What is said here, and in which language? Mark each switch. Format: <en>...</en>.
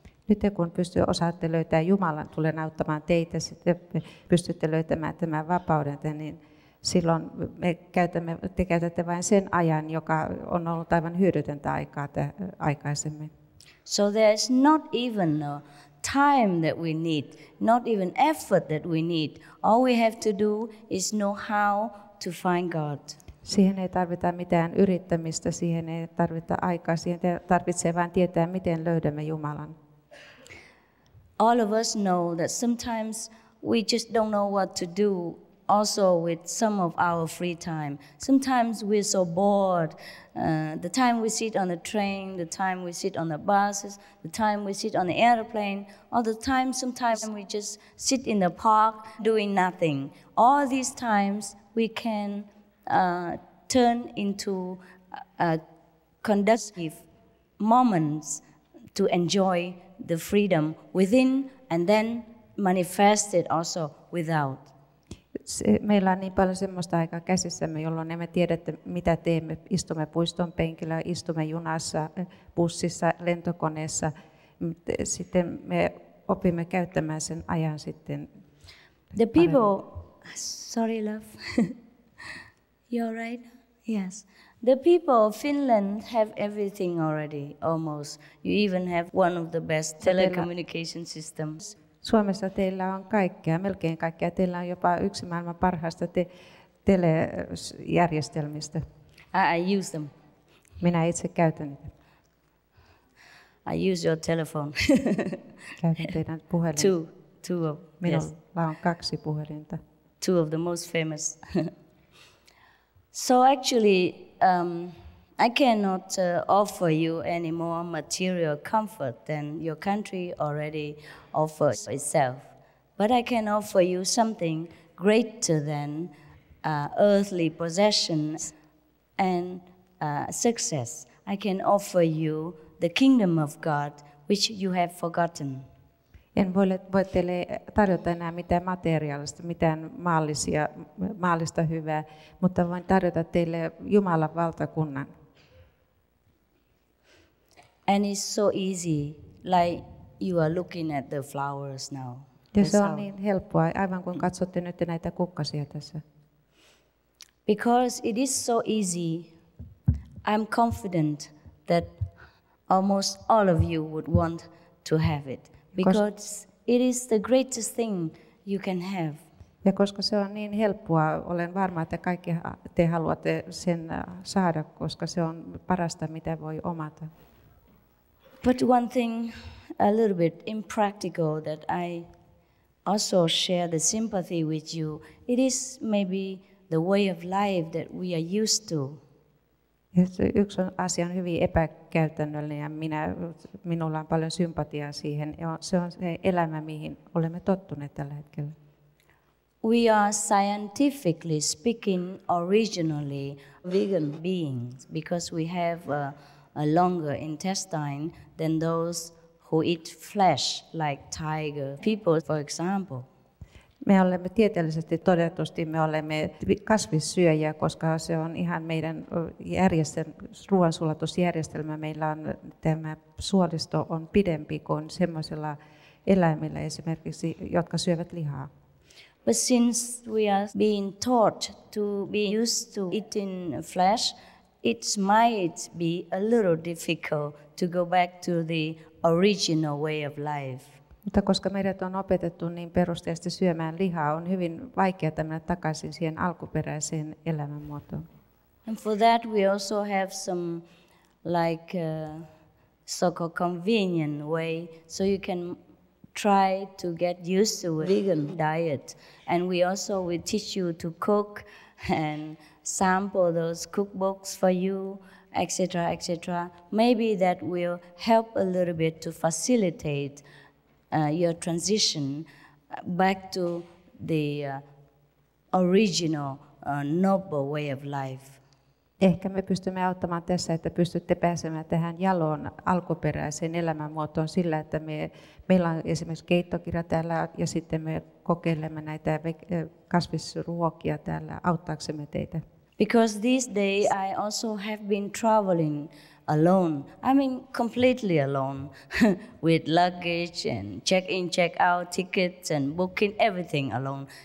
<fi>Nyt kun osaatte löytää Jumalan, tulen auttamaan teitä, sitten pystytte löytämään tämän vapauden, niin silloin te käytätte vain sen ajan, joka on ollut aivan hyödytöntä aikaa aikaisemmin.</fi> <en>So there's not even a time that we need, not even effort that we need. All we have to do is know how to find God.</en> <fi>Siihen ei tarvita mitään yrittämistä, siihen ei tarvita aikaa, siihen tarvitsee vain tietää, miten löydämme Jumalan.</fi> <en>All of us know that sometimes we just don't know what to do also with some of our free time. Sometimes we're so bored. The time we sit on the train, the time we sit on the buses, the time we sit on the airplane, all the time sometimes we just sit in the park doing nothing. All these times we can turn into a conducive moments to enjoy the freedom within and then manifest it also without.</en> <fi>Meillä on niin paljon semmoista aikaa käsissämme, jolloin emme tiedä, mitä teemme. Istumme puiston penkillä, istumme junassa, bussissa, lentokoneessa. Sitten me opimme käyttämään sen ajan sitten.</fi> <en>The people, sorry love, you're right? Yes. The people of Finland have everything already, almost. You even have one of the best telecommunication systems.</en> <fi>Suomessa teillä on kaikkea, melkein kaikkea. Teillä on jopa yksi maailman parhaista telejärjestelmistä.</fi> <en>I use them.</en> <fi>Minä itse käytän niitä.</fi> <en>I use your telephone.</en> <fi>Käytän teidän puhelinta.</fi> <en>Two of,</en> <fi>minulla</fi> <en>yes.</en> <fi>On kaksi puhelinta.</fi> <en>Two of the most famous. So actually, I cannot offer you any more material comfort than your country already offers itself. But I can offer you something greater than earthly possessions and success. I can offer you the kingdom of God, which you have forgotten.</en> <fi>En voi teille tarjota enää mitään materiaalista, mitään maallista hyvää, mutta voin tarjota teille Jumalan valtakunnan.</fi> <en>And it's so easy, like you are looking at the flowers now.</en> <fi>Ja se on niin helppoa, aivan kuin katsotte nyt näitä kukkasia tässä.</fi> <en>Because it is so easy, I'm confident that almost all of you would want to have it. Because it is the greatest thing you can have.</en> <fi>Ja koska se on niin helppoa, olen varma, että kaikki te haluatte sen saada, koska se on parasta, mitä voi omata.</fi> <en>But one thing a little bit impractical that I also share the sympathy with you, it is maybe the way of life that we are used to.</en> <fi>Yksi asia on hyvin epäkäytännöllinen ja minulla on paljon sympatiaa siihen. Se on se elämä, mihin olemme tottuneet tällä hetkellä.</fi> <en>We are scientifically speaking originally vegan beings because we have a longer intestine than those who eat flesh like tiger people, for example.</en> <fi>Me olemme tieteellisesti todetusti, me olemme kasvissyöjiä, koska se on ihan meidän ruoansulatusjärjestelmä. Meillä on tämä suolisto on pidempi kuin semmoisilla eläimillä esimerkiksi, jotka syövät lihaa.</fi> <en>But since we are being taught to be used to eating flesh, it might be a little difficult to go back to the original way of life.</en> <fi>Mutta koska meidät on opetettu niin perusteisesti syömään lihaa, on hyvin vaikeaa mennä takaisin siihen alkuperäiseen elämänmuotoon.</fi> <en>And for that we also have some like so-called convenient way, so you can try to get used to a vegan diet. And we also will teach you to cook and sample those cookbooks for you, etc., etc. Maybe that will help a little bit to facilitate your transition back to the original noble way of life.</en> <fi>Ehkä me pystymme auttamaan tässä, että pystytte pääsemään tähän jaloon alkuperäiseen elämänmuotoon sillä, että meillä on esimerkiksi keittokirja täällä ja sitten me kokeilemme näitä kasvisruokia täällä auttaaksemme teitä.</fi> <en>Because these days I also have been traveling alone. I mean completely alone with luggage and check-in, check-out, tickets and booking everything alone.</en>